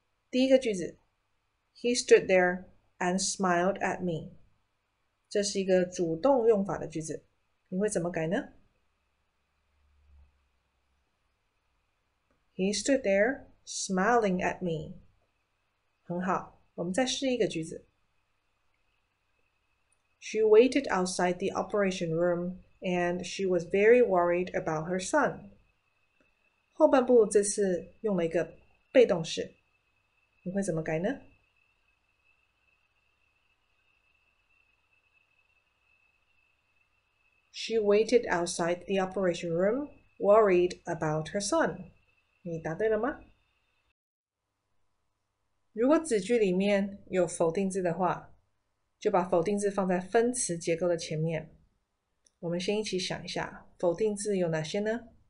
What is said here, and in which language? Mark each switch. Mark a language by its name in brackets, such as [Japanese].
[Chinese] 第一个句子， [English] He stood there and smiled at me。 [Chinese] 这是一个主动用法的句子，你会怎么改呢？ [English] He stood there smiling at me。 [Chinese] 很好，我们再试一个句子。 [English] She waited outside the operation room and she was very worried about her son。 [Chinese] 后半部这次用了一个被动式，你会怎么改呢？ [English] She waited outside the operation room, worried about her son. [Chinese] 你答对了吗？如果子句里面有否定字的话，就把否定字放在分词结构的前面。我们先一起想一下，否定字有哪些呢？